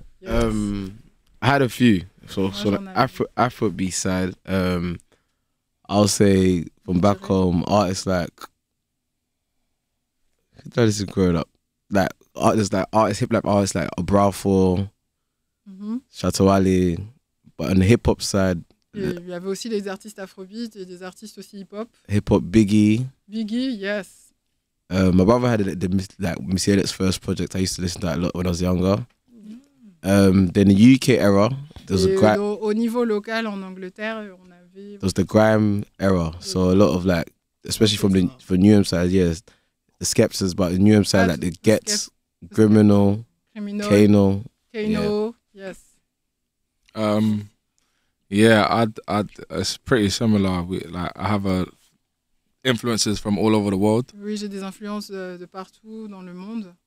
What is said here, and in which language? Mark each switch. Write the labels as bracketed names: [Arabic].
[English] I had a few. So Afrobeat side. I'll say from back home, artists like... That is growing up. Like artists like Obrafo. Mm-hmm. Chateau Ali, but on the hip hop side. [French] Il y avait aussi des artistes afrobeat et des artistes aussi hip hop. [English] Hip hop Biggie. Biggie, yes. My brother had the Missy Elliott's first project. I used to listen to that a lot when I was younger. Then the UK era. [French] Au niveau local en Angleterre, on avait. [English] There was the grime era. So a lot of like, especially from the Newham side, yes. The Skepsis, but the Newham side, like the Gets, Criminal. Kano. Yeah. Yes. It's pretty similar. I have influences from all over the world. [French] Oui, j'ai des influences de partout dans le monde.